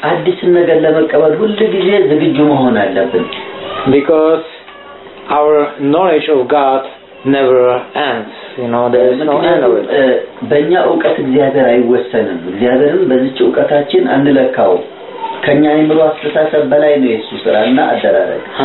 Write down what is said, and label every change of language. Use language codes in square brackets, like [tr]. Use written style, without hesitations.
[am] አዲስ ነገር ለመቀበል ሁሉ ጊዜ ዝግጁ መሆን አለብን [en] because our knowledge of God never ends you know there is no end of it [am] በእኛ ዕውቀት እግዚአብሔር አይወሰንም እግዚአብሔርን በዚህ ዕውቀታችን አንለካው ከኛ የምሮ አስተሳሰብ በላይ ነው እሱ ስራና አደረረክ